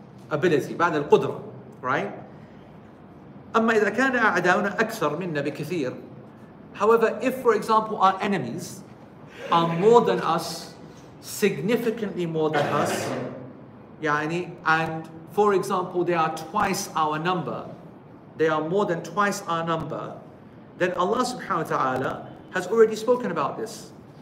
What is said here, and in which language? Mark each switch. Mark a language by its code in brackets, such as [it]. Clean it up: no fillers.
[en] Ability, [ar] بعد القدرة, [en] right? [ar] أما إذا كان أعداؤنا أكثر منا بكثير. [en] However, if, for example, our enemies are more than us, significantly more than us, يعني, and for example, they are twice our number, they are more than twice our number, then Allah subhanahu wa ta'ala has already spoken about this.